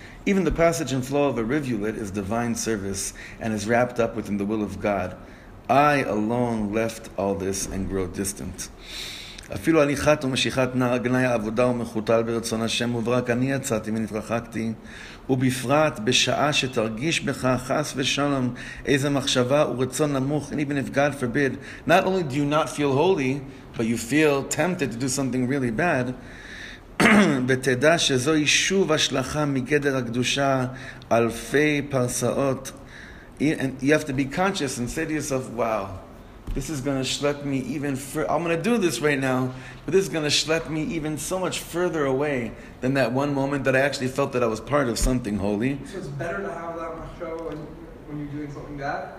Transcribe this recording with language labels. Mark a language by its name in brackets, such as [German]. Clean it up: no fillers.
[English] Even the passage and flow of a rivulet is divine service and is wrapped up within the will of God. I alone left all this and grow distant. [Hebrew] אפילו הליכת ומשיכת נער גנאי עבודה ומחותל ברצון השם וברק אני יצאתי ונתרחקתי ובפרט בשעה שתרגיש בך חס ושלום איזה מחשבה ורצון נמוך [English] and even if God forbid, not only do you not feel holy, but you feel tempted to do something really bad, [Hebrew] ותדע שזו שוב השלכה מגדר הקדושה אלפי פרסאות. [English] You have to be conscious and say to yourself, wow, this is going to schlep me even further. I'm going to do this right now, but this is going to schlep me even so much further away than that one moment that I actually felt that I was part of something holy. So it's better to have that machshava when you're doing something bad?